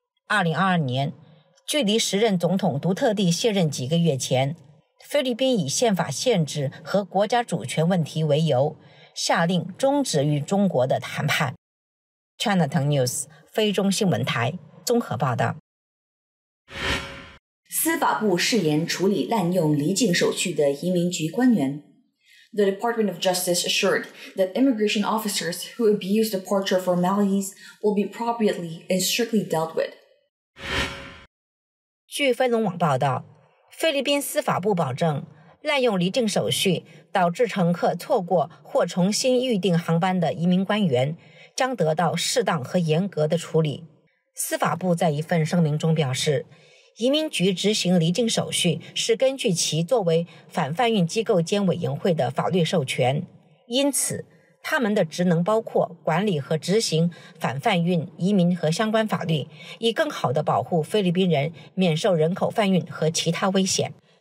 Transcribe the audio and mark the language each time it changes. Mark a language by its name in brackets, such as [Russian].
[Chinese] 2022年，距离时任总统杜特地卸任几个月前，菲律宾以宪法限制和国家主权问题为由，下令终止与中国的谈判。 Cntv News 菲中新闻台综合报道。司法部誓言处理滥用离境手续的移民局官员。 [English] The Department of Justice assured that immigration officers who abuse departure formalities will be appropriately and strictly dealt with. [Chinese] 据飞龙网报道，菲律宾司法部保证，滥用离境手续导致乘客错过或重新预订航班的移民官员将得到适当和严格的处理。司法部在一份声明中表示，移民局执行离境手续是根据其作为反贩运机构兼委员会的法律授权，因此他们的职能包括管理和执行反贩运移民和相关法律，以更好地保护菲律宾人免受人口贩运和其他危险。